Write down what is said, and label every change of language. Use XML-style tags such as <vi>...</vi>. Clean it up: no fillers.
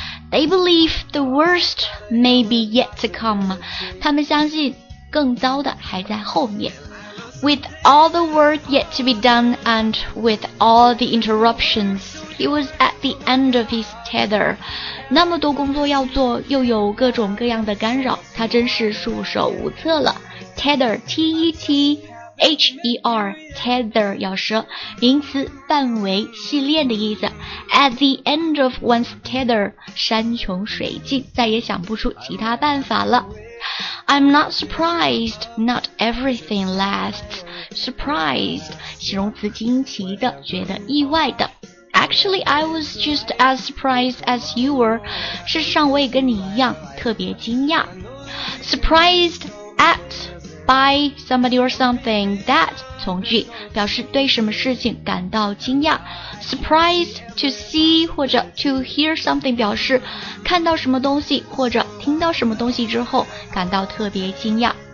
<en>They believe the worst may be yet to come.</en> <zh>他们相信更糟的还在后面。</zh> <en>With all the work yet to be done and with all the interruptions, he was at the end of his tether.</en> <zh>那么多工作要做，又有各种各样的干扰，他真是束手无策了。 Tether, T-E-T-H-E-R, tether, 咬舌，名词，范围，系列的意思。</zh> <en>At the end of one's tether,</en> <zh>山穷水尽，再也想不出其他办法了。</zh> <en>I'm not surprised, not everything lasts.</en> <zh>Surprised, 形容词惊奇的，觉得意外的。</zh> <en>Actually, I was just as surprised as you were.</en> <zh>事实上我也跟你一样，特别惊讶。</zh> <en>Surprised at, by somebody or something, that,</en> <zh>从句，表示对什么事情感到惊讶。</zh> <en>Surprised to see</en> <zh>或者</zh> <en>to hear something</en> <zh>表示看到什么东西或者听到什么东西之后感到特别惊讶。</zh>